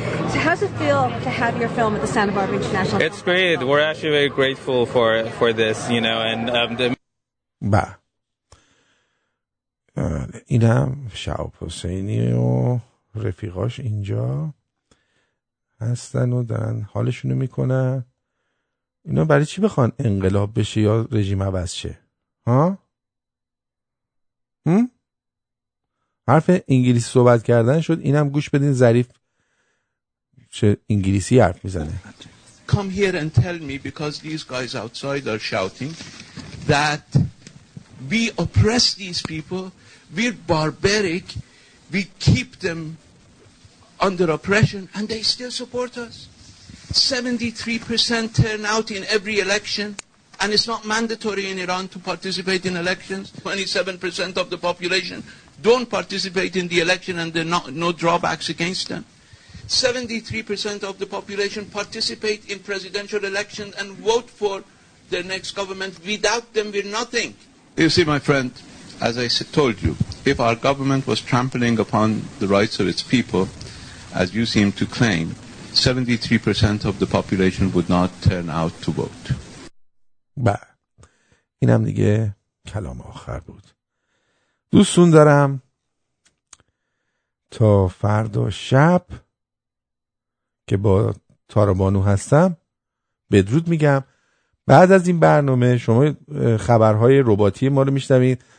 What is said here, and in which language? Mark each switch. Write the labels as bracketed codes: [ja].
[en] So how does it feel to have your film at the Santa Barbara International? It's great. We're actually very grateful for this, you know. And Bye. [fa] اینم شعب حسینی و رفیقاش اینجا هستن و دارن حالشونو میکنن. اینا برای چی بخوان انقلاب بشه یا رژیم عوض شه؟ ها؟ حرف انگلیسی صحبت کردن شد، اینم گوش بدین ظریف چه انگلیسی حرف میزنه. [en] Come here and tell me because these guys outside are shouting that we oppress these people. We're barbaric. We keep them under oppression and they still support us. 73% turnout in every election and it's not mandatory in Iran to participate in elections. 27% of the population don't participate in the election and there are no drawbacks against them. 73% of the population participate in presidential elections and vote for their next government. Without them, we're nothing. You see, my friend, as I told you, if our government was trampling upon the rights of its people, as you seem to claim, 73% of the population would not turn out to vote. [fa] بله. اینم دیگه کلام آخر بود. دوستون دارم تا فردا شب که با تارا بانو هستم بدرود میگم. بعد از این برنامه شما خبرهای رباتی ما رو میشنوید.